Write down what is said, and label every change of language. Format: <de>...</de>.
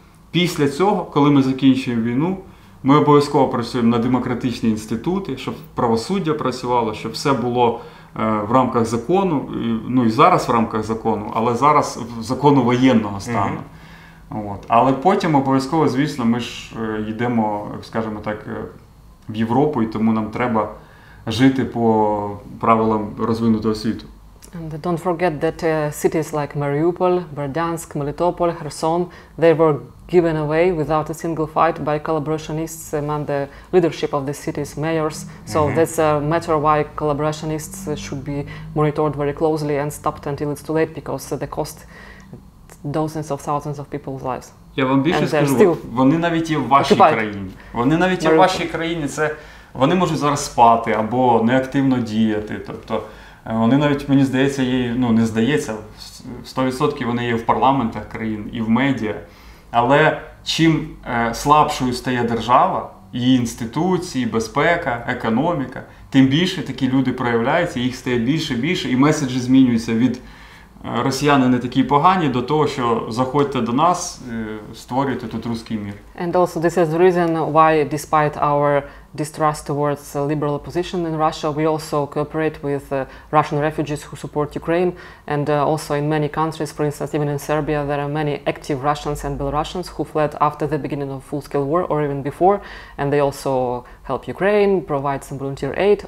<uk>Після цього, коли ми закінчуємо війну, ми обов'язково працюємо на демократичні інститути, щоб правосуддя працювало, щоб все було в рамках закону, ну і зараз в рамках закону, але зараз в закону воєнного стану. Mm-hmm. От. Але потім обов'язково, звісно, ми ж йдемо, скажімо так, в Європу, і тому нам треба жити по правилам розвинутого світу.</uk> <en>And don't forget that cities like Mariupol, Berdansk, Melitopol, Kherson, they were given away without a single fight by collaborationists among the leadership of the city's mayors. So mm-hmm. that's a matter why collaborationists should be monitored very closely and stopped until it's too late, because the cost dozens of thousands of people's lives.</en> <uk>Я вам більше and скажу, still... вони навіть є в вашій Occupied. Країні. Вони навіть Mariupol. Є в вашій країні. Це вони можуть зараз спати або неактивно діяти. Тобто вони навіть, мені здається, є, ну, не здається, 100% вони є в парламентах країн і в медіа. Але чим слабшою стає держава, її інституції, безпека, економіка, тим більше такі люди проявляються, їх стає більше і більше, і меседжі змінюються від росіяни не такі погані до того, що заходьте до нас, створюйте тут русський мір.</uk> <en>And also this is the reason why, despite our distrust towards liberal opposition in Russia, we also cooperate with Russian refugees who support Ukraine, and also in many countries, for instance, even in Serbia, there are many active Russians and Belarusians who fled after the beginning of full-scale war or even before, and they also help Ukraine, provide some volunteer aid.</en>